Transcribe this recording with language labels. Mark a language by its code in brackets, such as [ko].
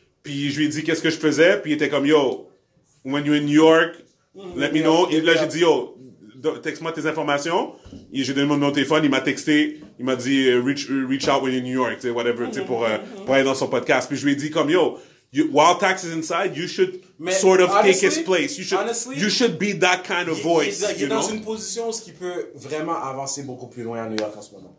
[fr] Puis, je lui ai dit, qu'est-ce que je faisais? Puis, il était comme, yo, [en] when you're in New York, let me know. [fr] Et là, j'ai dit, yo, texte-moi tes informations. J'ai donné mon numéro de téléphone. Il m'a texté. Il m'a dit, [en] reach out when you're in New York, [fr] whatever, pour aller dans son podcast. Puis je lui ai dit, comme, [en] yo, while Tax is inside, you should take his place. You should be that kind of voice. [fr] Il est dans une position où il peut vraiment avancer beaucoup plus loin à New York en ce moment.